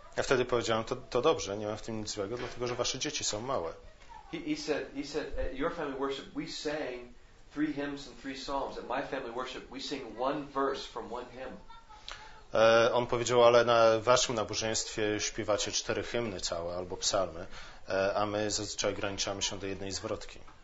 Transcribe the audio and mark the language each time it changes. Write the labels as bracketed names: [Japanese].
[Polish] Ja wtedy powiedziałem, to dobrze, nie mam w tym nic złego, dlatego że wasze dzieci są małe. [English] He said, at your family worship, we sang three hymns and three psalms. At my family worship, we sing one verse from one hymn. [Polish] On powiedział, ale na waszym nabożeństwie śpiewacie cztery hymny całe albo psalmy, a my zazwyczaj ograniczamy się do jednej zwrotki.